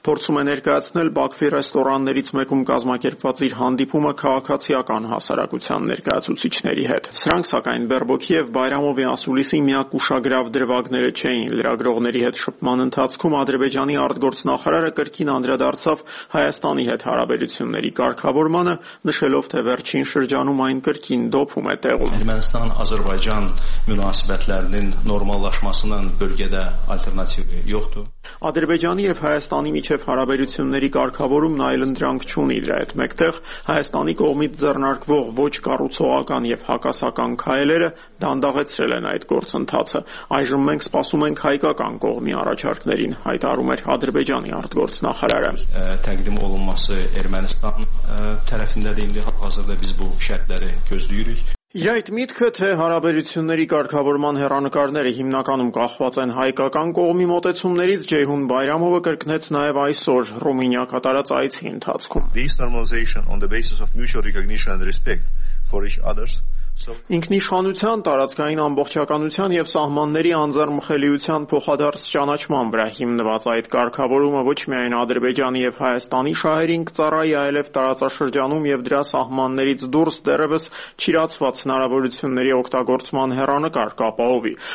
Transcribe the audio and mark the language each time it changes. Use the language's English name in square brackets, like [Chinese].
[Armenian] փորձում է ներկայացնել Բաքվի ռեստորաններից մեկում կազմակերպված իր հանդիպումը քաղաքացիական հասարակության ներկայացուցիչների հետ։ Սրանք, սակայն, Բերբոքի և Բայրամովի ասուլիսի միակ ուշագրավ դրվագները չէին։ Լրագրողների հետ շփման ընթացքում Ադրբեջանի արտգործնախարարը կրկին անդրադարձավ Հայաստանի հետ հարաբերությունների կարգավորմանը, նշելով, թե վերջին շրջանում այն կրկին դոփում է տեղում։ [Azerbaijani] Ermənistan-Azərbaycan münasibətlərinin normallaşmasının bölgədə alternativi yoxdur։ [Armenian] Ադրբեջանի եւ Հայաստանի միջև հարաբերությունների կարգավորումն այլ ընդրանք չունի։ Դրա այդ մեկտեղ Հայաստանի կողմից ձեռնարկվող ոչ կառուցողական եւ հակասական քայլերը դանդաղեցրել են այդ գործընթացը։ Այժմ մենք սպասում ենք հայկական կողմի առաջարկներին, հայտարարում էր Ադրբեջանի արտգործնախարարը։ [Azerbaijani] Təqdim olunması Ermənistan tərəfindədir indi, hazırda biz bu şərtləri gözləyirik։ [Armenian] Իայդ միտքը, թե հարաբերությունների կարգավորման հեռանկարները հիմնականում կախված են հայկական կողմի մոտեցումներից, Ջեյհուն Բայրամովը կրկնեց նաև այսօր Ռումինիա կատարած այցի ընթացքում։ [English] This normalization on the basis of mutual recognition and respect for each other's [Armenian] ինքնիշխանության, տարածքային ամբողջականության եւ սահմանների անզարմխելիության փոխադարձ ճանաչման վրա հիմնված այդ կարգավորումը ոչ միայն Ադրբեջանի եւ Հայաստանի շահերին կծառայի, այլեւ տարածաշրջանում եւ դրա սահմաններից դուրս դեռևս չիրացված հնարավորությունների օգտագործման հեռանկար կապահովի։